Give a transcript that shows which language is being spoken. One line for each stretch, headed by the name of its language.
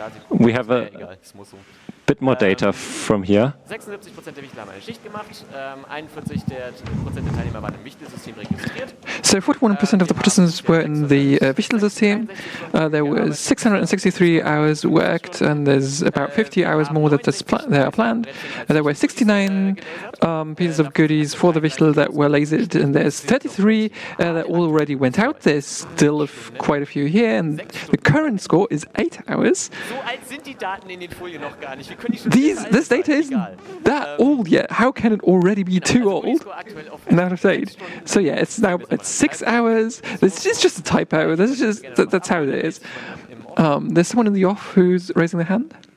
English: We have a bit more data from here.
German: 76% der Mitglieder haben eine Schicht gemacht, 41% der Teilnehmer waren im Wichtelsystem registriert.
English: So 41% of the participants were in the Wichtelsystem. There were 663 hours worked, and there's about 50 hours more that they are planned. There were 69 pieces of goodies for the Wichtel that were lasered, and there's 33 that already went out. There's still quite a few here, and the current score is 8 hours.
German: So alt sind die Daten in den Folien noch gar nicht.
English: This data isn't that old yet. How can it already be too old? Out of date. So yeah, it's now at 6 hours. This is just a typo. This is just that's how it is. There's someone in the off who's raising their hand.